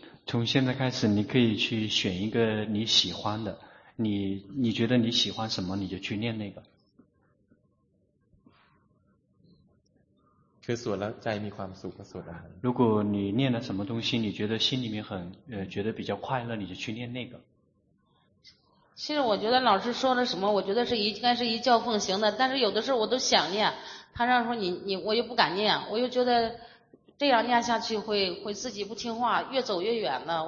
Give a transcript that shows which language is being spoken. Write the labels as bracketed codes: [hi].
[zh] 从现在开始你可以去选一个你喜欢的你觉得你喜欢什么你就去念那个 [th] คือสวดแล้วใจมีความสุขสวดอะไร [zh] 如果你念了什么东西你觉得心里面很觉得比较快乐你就去念那个其实我觉得老师说了什么，我觉得是应该是一教奉行的。但是有的时候我都想念，他让说你，我又不敢念，我又觉得这样念下去会自己不听话，越走越远呢。